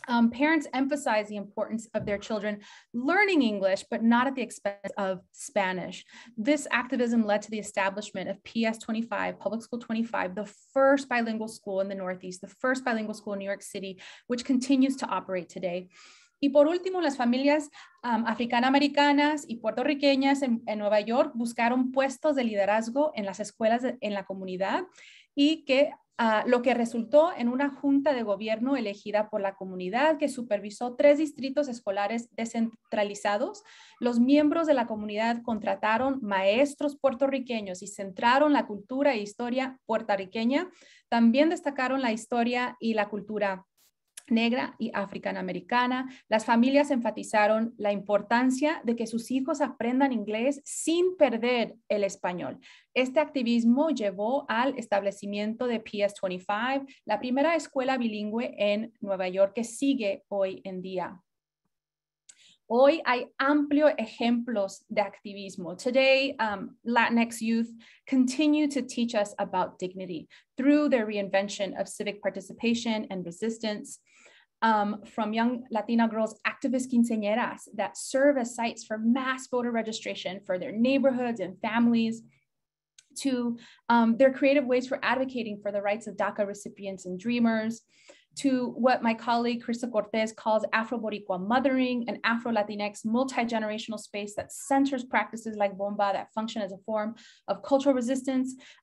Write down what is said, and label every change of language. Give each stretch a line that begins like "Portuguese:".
English: Parents emphasize the importance of their children learning English, but not at the expense of Spanish. This activism led to the establishment of PS 25, Public School 25, the first bilingual school in the Northeast, the first bilingual school in New York City, which continues to operate today.
Spanish: Y por último, las familias africanoamericanas y puertorriqueñas en Nueva York buscaron puestos de liderazgo en las escuelas en la comunidad y que lo que resultó en una junta de gobierno elegida por la comunidad que supervisó 3 distritos escolares descentralizados. Los miembros de la comunidad contrataron maestros puertorriqueños y centraron la cultura e historia puertorriqueña. También destacaron la historia y la cultura negra y africana-americana, las familias enfatizaron la importancia de que sus hijos aprendan inglés sin perder el español. Este activismo llevó al establecimiento de PS25, la primera escuela bilingüe en Nueva York que sigue hoy en día. Hoy hay amplios ejemplos de activismo.
English: Today, Latinx youth continue to teach us about dignity through the reinvention of civic participation and resistance. From young Latina girls, activist quinceañeras that serve as sites for mass voter registration for their neighborhoods and families, to their creative ways for advocating for the rights of DACA recipients and dreamers, to what my colleague Krista Cortez calls Afro-Boricua mothering, an Afro-Latinx multi-generational space that centers practices like bomba that function as a form of cultural resistance,